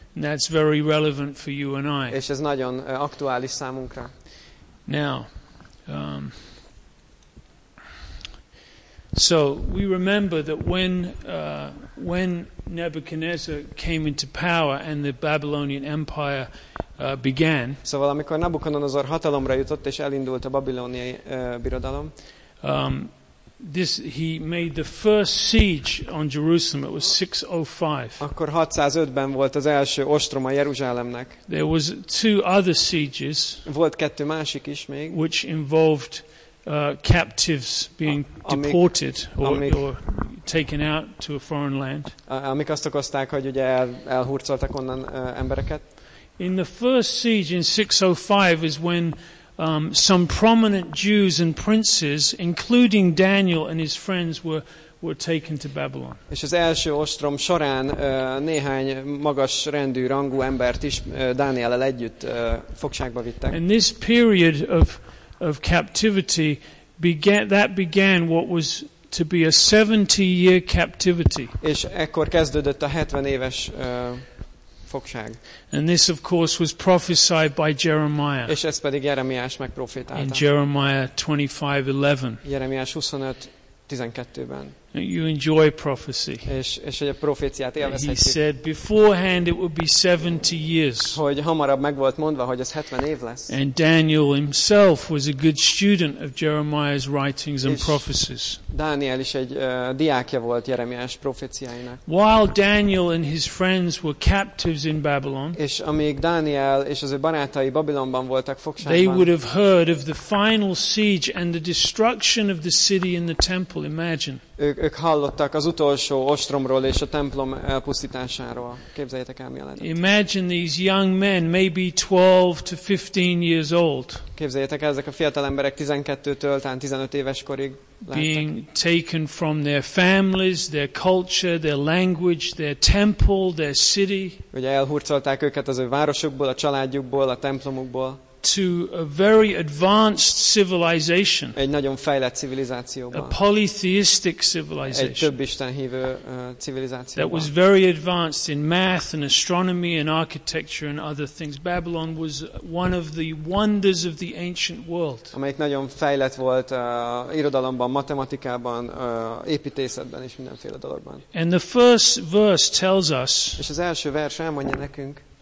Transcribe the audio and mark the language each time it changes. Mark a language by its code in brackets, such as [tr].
[en] And that's very relevant for you and I. [hu] És ez nagyon aktuális számunkra. [en] Now, so we remember that when Nebuchadnezzar came into power and the Babylonian Empire began. [hu] Szóval amikor Nabukodonozor hatalomra jutott és elindult a babiloniai birodalom. [en] He made the first siege on Jerusalem. It was 605. [hu] Akkor 605-ben volt az első ostrom a Jeruzsálemnek. [en] There was two other sieges. [hu] Volt kettő másik is még. [en] Which involved captives being deported or taken out to a foreign land. [hu] Amik azt okozták, hogy ugye elhurcoltak onnan embereket. [en] In the first siege in 605 is when some prominent Jews and princes, including Daniel and his friends, were taken to Babylon. [hu] És az első ostrom során néhány magas rendű, rangú embert is Dániellel együtt fogságba vittek. [en] And this period of captivity began what was to be a 70-year captivity. [hu] És ekkor kezdődött a 70 éves fogság. [en] And this of course was prophesied by Jeremiah. [hu] És ezt pedig Jeremiás megprofétálta. [en] In Jeremiah 25:11. [hu] Jeremiás 25:12-ben. [en] You enjoy prophecy. [hu] És hogy a proféciát élvezhetjük. [en] He said beforehand it would be 70 years. [hu] Hogy hamarabb meg volt mondva, hogy ez 70 év lesz. [en] And Daniel himself was a good student of Jeremiah's writings and prophecies. [hu] Dániel is egy diákja volt Jeremiás proféciáinak. [en] While Daniel and his friends were captives in Babylon. [hu] És amíg Dániel és az ő barátai Babilonban voltak fogságban. [en] They would have heard of the final siege and the destruction of the city and the temple. Imagine. [hu] Ők hallottak az utolsó ostromról és a templom elpusztításáról. Képzeljétek el, mi a lehetett. [en] Imagine these young men, maybe 12 to 15 years old. [hu] Képzeljétek el, ezek a fiatal emberek 12-től, talán 15 éves korig lehettek. [en] Being taken from their families, their culture, their language, their temple, their city. [hu] Ugye elhurcolták őket az ő városukból, a családjukból, a templomukból. [en] To a very advanced civilization. [hu] Egy nagyon fejlett civilizációban. [en] A polytheistic civilization. [hu] Egy több isten hívő civilizációban. [en] That was very advanced in math and astronomy and architecture and other things. Babylon was one of the wonders of the ancient world. [hu] Amelyik nagyon fejlett volt irodalomban, matematikában, építészetben és mindenféle dologban. [en] And the first verse tells us. [hu] És az első vers elmondja nekünk.